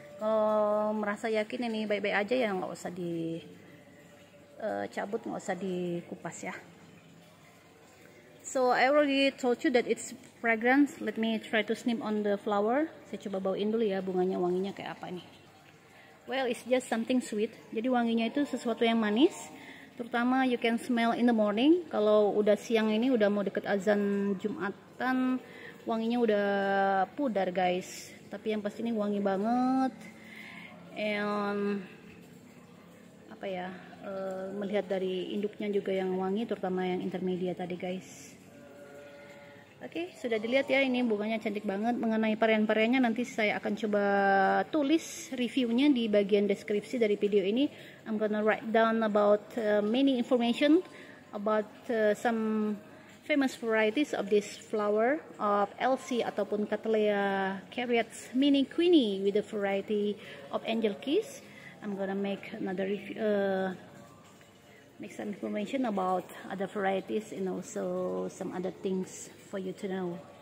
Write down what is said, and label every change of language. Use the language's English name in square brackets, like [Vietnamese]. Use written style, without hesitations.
[Indonesian] Kalau merasa yakin ini baik-baik aja ya nggak usah dicabut, nggak usah dikupas ya. [English] So I already told you that it's fragrant. Let me try to sniff on the flower. [Indonesian] Saya coba bauin dulu ya bunganya, wanginya kayak apa ini. [English] Well, it's just something sweet. [Indonesian] Jadi wanginya itu sesuatu yang manis. Terutama [English] you can smell in the morning. [Indonesian] Kalau udah siang ini udah mau deket azan Jumatan, wanginya udah pudar guys. Tapi yang pasti ini wangi banget. And apa ya, melihat dari induknya juga yang wangi, terutama yang intermediate tadi guys. Oke, sudah dilihat ya, ini bunganya cantik banget. Mengenai varian-variannya nanti saya akan coba tulis reviewnya di bagian deskripsi dari video ini. [English] I'm gonna write down about many information about some famous varieties of this flower of LC ataupun Cattleya Caryatus Mini Queenie with the variety of Angel Kiss. I'm gonna make another review, make some information about other varieties and also some other things for you to know.